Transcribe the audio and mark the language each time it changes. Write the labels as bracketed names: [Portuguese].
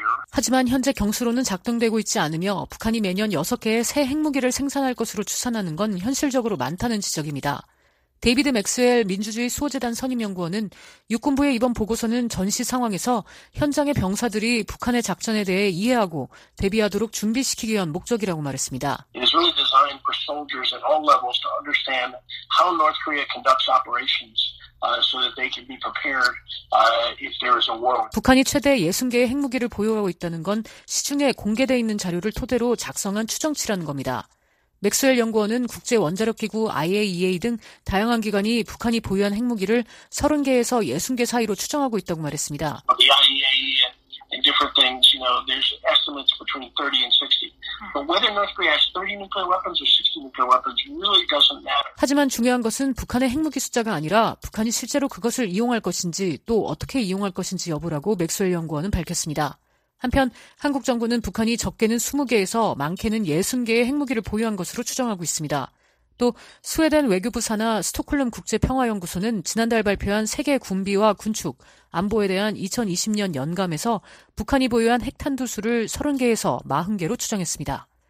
[Korean] 하지만 현재 경수로는 작동되고 있지 않으며 북한이 매년 6개의 새 핵무기를 생산할 것으로 추산하는 건 현실적으로 많다는 지적입니다. 데이비드 맥스웰 민주주의 수호재단 선임연구원은 육군부의 이번 보고서는 전시 상황에서 현장의 병사들이 북한의 작전에 대해 이해하고 대비하도록 준비시키기 위한 목적이라고 말했습니다. [English] It is really designed for soldiers at all levels to understand how North Korea conducts operations. So that they can be prepared if there is a war. [Korean] 북한이 최대 60개의 핵무기를 보유하고 있다는 건 시중에 공개되어 있는 자료를 토대로 작성한 추정치라는 겁니다. 맥스웰 연구원은 국제원자력기구 IAEA 등 다양한 기관이 북한이 보유한 핵무기를 30개에서 60개 사이로 추정하고 있다고 말했습니다. [English] The IAEA and different things, you know, there's estimates between 30 and 60. But whether North Korea has 30 nuclear weapons or 60 nuclear weapons really doesn't matter. [Korean] 하지만 중요한 것은 북한의 핵무기 숫자가 아니라 북한이 실제로 그것을 이용할 것인지 또 어떻게 이용할 것인지 여부라고 맥스웰 연구원은 밝혔습니다. 한편 한국 정부는 북한이 적게는 20개에서 많게는 60개의 핵무기를 보유한 것으로 추정하고 있습니다. 또 스웨덴 외교부 산하 스톡홀름 국제평화연구소는 지난달 발표한 세계 군비와 군축, 안보에 대한 2020년 연감에서 북한이 보유한 핵탄두 수를 30개에서 40개로 추정했습니다.